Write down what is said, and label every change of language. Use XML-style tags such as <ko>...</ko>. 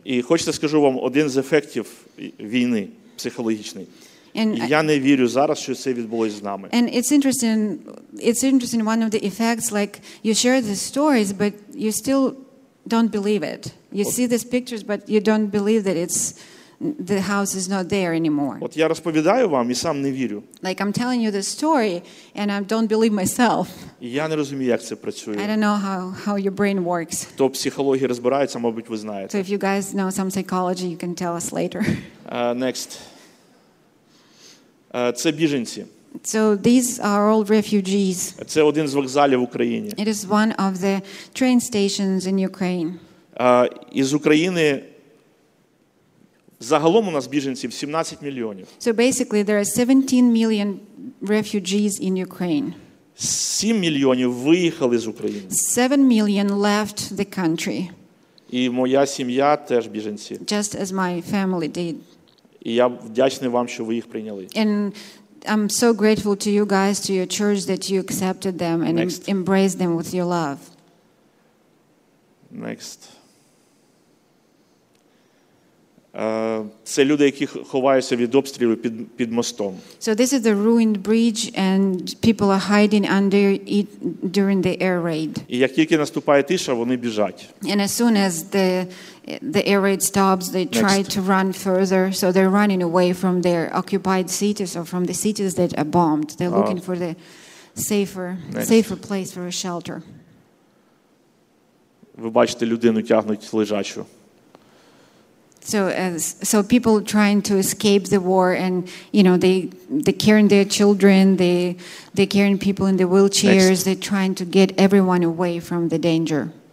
<uk>І хочеться скажу вам один з ефектів війни психологічний. Я не вірю зараз, що це відбулось з нами.</uk> <en>And it's interesting one of the effects, like you share the stories but you still don't believe it. You see these pictures but you don't believe that the house is not there anymore.</en> <uk>От я розповідаю вам і сам не вірю.</uk> <en>Like I'm telling you the story and I don't believe myself.</en> <uk>Я не розумію, як це працює.</uk> <en>I don't know how your brain works.</en> <uk>То психологія розбирається, мабуть, ви знаєте.</uk> <en>So if you guys know some psychology, you can tell us later. Next.</en> <uk>Це біженці.</uk> <en>So these are all refugees.</en> <uk>Це один з вокзалів в Україні.</uk> <en>It is one of the train stations in Ukraine.</en> <uk>Із України загалом у нас біженців 17 мільйонів.</uk> <en>So basically there are 17 million refugees in Ukraine.</en> <uk>7 мільйонів виїхали з України.</uk> <en>7 million left the country.</en> <uk>І моя сім'я теж біженці.</uk> <en>Just as my family did.</en> <uk>І я вдячний вам, що ви їх прийняли.</uk> <en>And I'm so grateful to you guys, to your church, that you accepted them and embraced them with your love. Next.</en> <uk>Це люди, які ховаються від обстрілу під мостом.</uk> <en>So this is the ruined bridge and people are hiding under it during the air raid.</en> <uk>І як тільки наступає тиша, вони біжать.</uk> <en>And as soon as the air raid stops, they try to run further, so they're running away from their occupied cities or from the cities that are bombed. They're looking for the safer place for a shelter.</en> <uk>Ви бачите, людину тягнуть лежачу.</uk> <en>So people trying to escape the war, and you know, they carrying their children, they carrying people in the wheelchairs. Next. They're trying to get everyone away from the danger.</en>